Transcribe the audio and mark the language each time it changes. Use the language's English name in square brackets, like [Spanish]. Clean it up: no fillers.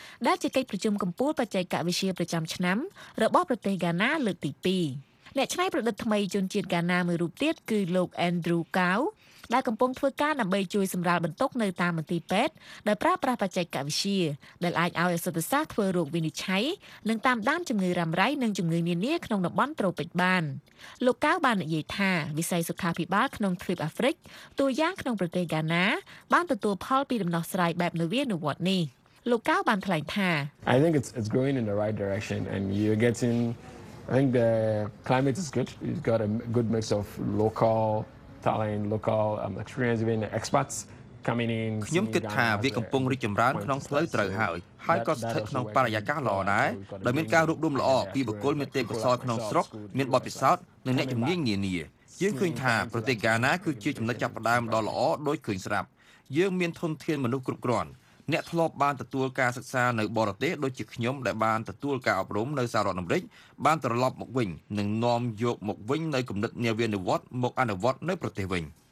[Khmer] ដែលជាកិច្ចប្រជុំកំពូលបច្ចេកវិទ្យាប្រចាំឆ្នាំរបស់ប្រទេសកាណាលើកទី2អ្នកឆ្នៃប្រឌិតថ្មីជនជាតិកាណាមួយរូបទៀតគឺលោក Andrew Kau ដែលកំពុងធ្វើការដើម្បីជួយសម្រាលបន្ទុកនៅតាមមន្ទីរពេទ្យដែលប្រើប្រាស់បច្ចេកវិទ្យាដែលអាចឲ្យអសតសាស្ត្រធ្វើរោគវិនិច្ឆ័យនិងតាមដានជំងឺរ៉ាំរ៉ៃនិងជំងឺនានាក្នុងតំបន់ត្រូពិចបាន លោកកៅបាននិយាយថាវិស័យសុខាភិបាលក្នុងទ្វីបអាហ្វ្រិកតួយ៉ាងក្នុងប្រទេសកាណាបានទទួលផលពីដំណោះស្រាយបែបនវានុវត្តន៍នេះលោកកៅបានថ្លែងថា [English] I think it's going in the right direction and you're getting I think the climate is good it's got a good mix of localTalent local experience even expats coming in [Khmer] ខ្ញុំគិតថាវាកំពុងរីកចម្រើនក្នុងផ្លូវត្រូវហើយហើយក៏ស្ថិតក្នុងបរិយាកាសល្អដែរដែលមានការរួបរមល្អពីបុគ្គលមានទេពកោសល្យក្នុងស្រុកមានបទពិសោធន៍និងអ្នកជំនាញនានាយើងឃើញថាប្រទេសកាណាគឺជាចំណុចចាប់ផ្ដើមដ៏ល្អដូចឃើញស្រាប់យើងមានធនធានមនុស្សគ្រប់គ្រាន់អ្នកធ្លាប់បានទទួលការសិក្សានៅបរទេសដូចជាខ្ញុំដែលបានទទួលការអប់រំនៅសហរដ្ឋអាមេរិកបានត្រឡប់មកវិញនិងនាំយកមកវិញនៅគំនិតនាវានិវត្តន៍មកអនុវត្តនៅប្រទេសវិញ